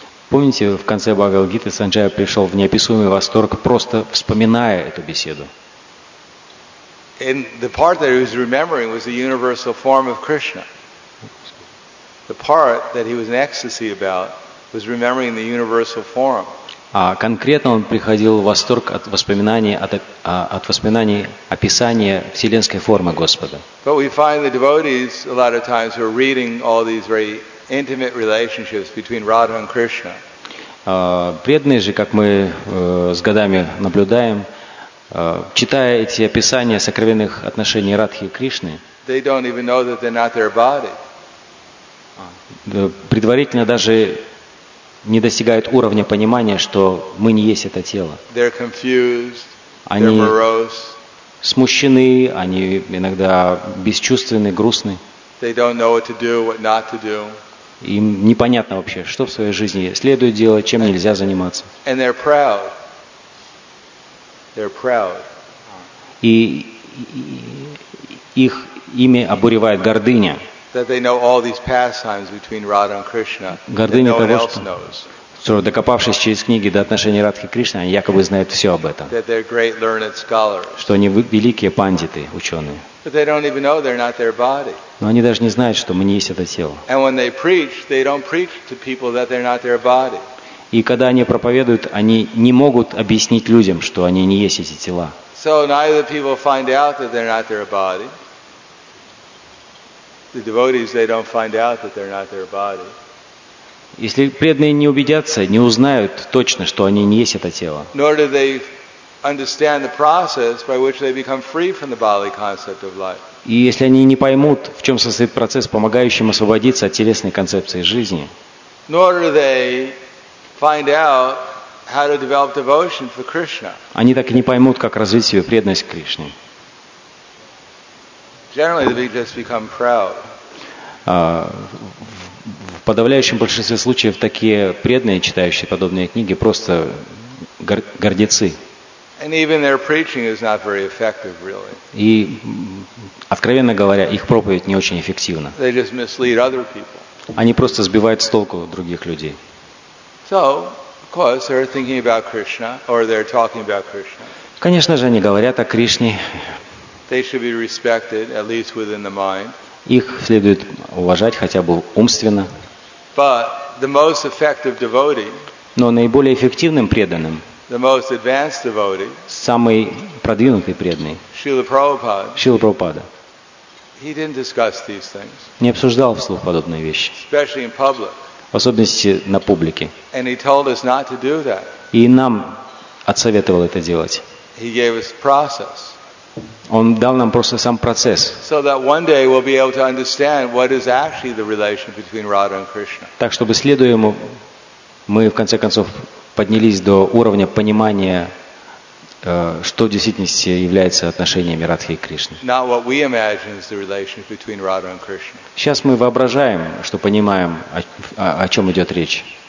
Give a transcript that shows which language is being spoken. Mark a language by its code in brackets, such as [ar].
[ru] Помните, в конце Бхагавад-гиты Санджая пришел в неописуемый восторг, просто вспоминая эту беседу. [en] And the part that he was remembering was the universal form of Krishna. The part that he was in ecstasy about was remembering the universal form. [ru] А конкретно он приходил в восторг от воспоминаний, от воспоминаний описания вселенской формы Господа. [en] But we find the devotees a lot of times who are reading all these very intimate relationships between Radha and Krishna. [ru] Преданные же, как мы с годами наблюдаем, читая эти описания сокровенных отношений Радхи и Кришны, [en] they don't even know that they're not their body. [ru] Предварительно даже не достигают уровня понимания, что мы не есть это тело. [en] They're confused, [ru] они [en] they're morose. [ru] Смущены, они иногда бесчувственны, грустны. [en] They don't know what to do, what not to do. [ru] Им непонятно вообще, что в своей жизни следует делать, чем нельзя заниматься. [en] And they're proud. They're proud. [ru] И их ими обуревает гордыня. [en] That they know all these pastimes between Radha and Krishna. [ru] Гордыня того, что докопавшись через книги до отношений Радхи и Кришны, они якобы знают все об этом. [en] That they're great learned scholars. [ru] Что они великие пандиты, ученые. [en] But they don't even know they're not their body. [ru] Но они даже не знают, что мы не есть это тело. [en] And when they preach, they don't preach to people that they're not their body. [ru] И когда они проповедуют, они не могут объяснить людям, что они не есть эти тела. [en] So neither people find out that they're not their body. The devotees, they don't find out that they're not their body. [ru] Если преданные не убедятся, не узнают точно, что они не есть это тело. [en] Nor do they understand the process by which they become free from the bodily concept of life. [ru] И если они не поймут, в чем состоит процесс, помогающий им освободиться от телесной концепции жизни. [en] Nor do they find out how to develop devotion for Krishna. [ru] Они так и не поймут, как развить свою преданность к Кришне. [en] Generally, they just become proud. [ru] В подавляющем большинстве случаев такие преданные, читающие подобные книги, просто гордецы. [en] And even their preaching is not very effective, really. [ru] И, откровенно говоря, их проповедь не очень эффективна. [en] They just mislead other people. [ru] Они просто сбивают с толку других людей. [en] So, of course, they're thinking about Krishna, or they're talking about Krishna. [ru] Конечно же, они говорят о Кришне. [en] They should be respected, at least within the mind. [ru] Их следует уважать хотя бы умственно. [en] But the most effective devotee. [ru] Но наиболее эффективным преданным. [en] The most advanced devotee. [ru] Самый продвинутый преданный. Шрила Прабхупада. Шрила Прабхупада. [en] He didn't discuss these things. [ru] Не обсуждал вслух подобные вещи. [en] Especially in public. [ru] В особенности на публике. [en] And he told us not to do that. [ru] И нам отсоветовал это делать. [en] He gave us process. [ru] Он дал нам просто сам процесс. Так, чтобы следуя ему, мы в конце концов поднялись до уровня понимания, что в действительности является отношениями Радхи и Кришны. [en] Not what we imagine is the relationship between Radha and Krishna. [ru] Сейчас мы воображаем, что понимаем, о чем идет речь.